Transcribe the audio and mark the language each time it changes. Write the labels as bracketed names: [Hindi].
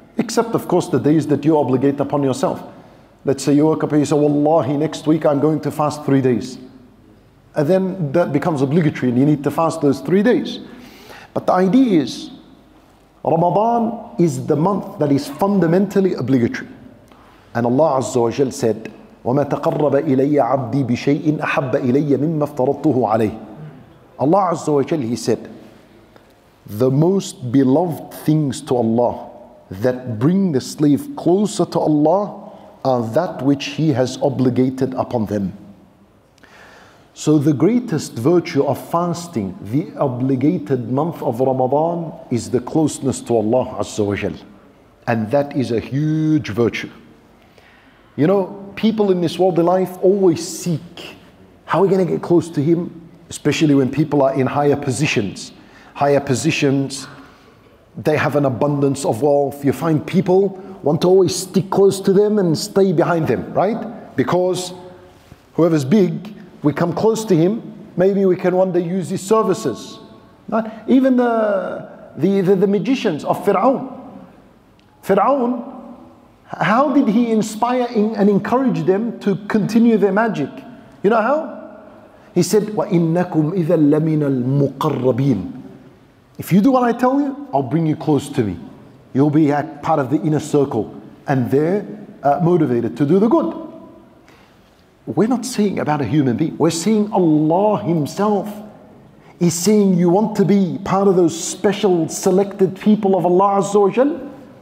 [English] Except, of course, the days that you obligate upon yourself. Let's say you woke up and you say, Wallahi, next week I'm going to fast 3 days. And then that becomes obligatory and you need to fast those 3 days. But the idea is, Ramadan is the month that is fundamentally obligatory. And Allah Azza wa Jal said, [Arabic] وَمَا تَقَرَّبَ إِلَيَّ عَبْدِي بِشَيْءٍ أَحَبَّ إِلَيَّ مِمَّ افْتَرَضْتُهُ عَلَيْهِ. [English] Allah Azza wa Jal, He said, the most beloved things to Allah that bring the slave closer to Allah are that which he has obligated upon them. So the greatest virtue of fasting, the obligated month of Ramadan, is the closeness to Allah Azza wa Jal. And that is a huge virtue. You know, people in this worldly life always seek, how are we going to get close to him? Especially when people are in higher positions. Higher positions, they have an abundance of wealth. You find people want to always stick close to them and stay behind them, right? Because whoever's big, we come close to him, maybe we can one day use his services. Right? Even the magicians of Fir'aun. Fir'aun, how did he inspire and encourage them to continue their magic? You know how? He said, [Arabic] وَإِنَّكُمْ إِذَا لَمِنَ الْمُقَرَّبِينَ. [English] If you do what I tell you, I'll bring you close to me. You'll be a part of the inner circle and they're motivated to do the good. We're not saying about a human being. We're saying Allah Himself is saying you want to be part of those special selected people of Allah Azza wa Jal.